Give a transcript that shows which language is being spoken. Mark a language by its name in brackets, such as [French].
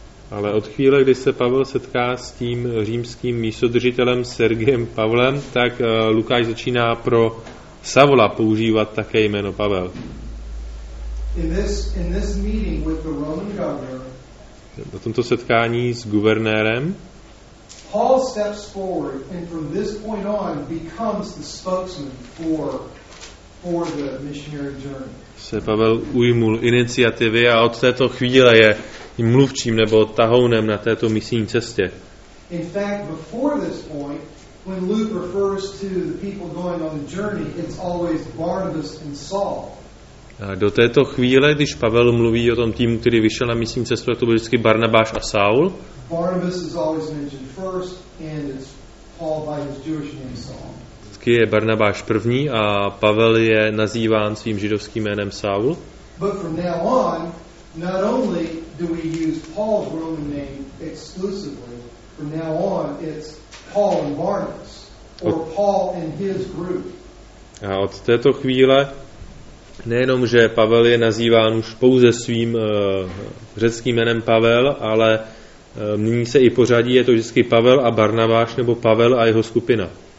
[Czech] Ale od chvíle, kdy se Pavel setká s tím římským místodržitelem Sergiem Pavlem, tak Lukáš začíná pro Savola používat také jméno Pavel. [English] In this meeting with the Roman governor, [Czech] na tomto setkání s guvernérem, [English] Paul steps forward and from this point on becomes the spokesman for the missionary journey. [Czech] Se Pavel ujmul iniciativy a od této chvíle je mluvčím nebo tahounem na této misijní cestě. [English] In fact, before this point, when Luke refers to the people going on the journey, it's always Barnabas and Saul. [Czech] A do této chvíle, když Pavel mluví o tom týmu, který vyšel na misijní cestu, to byl vždycky Barnabáš a Saul. [English] Barnabas is always mentioned first, and it's Paul by his Jewish name Saul. [Czech] Vždycky je Barnabáš první a Pavel je nazýván svým židovským jménem Saul. [English] But from now on, not only do we use Paul's Roman name exclusively, from now on it's Paul and Barnabas, or Paul and his group. [Czech] A od této chvíle nejenom, že Pavel je nazýván už pouze svým řeckým jménem Pavel, ale mění se i pořadí, je to vždycky Pavel a Barnabáš, nebo Pavel a jeho skupina.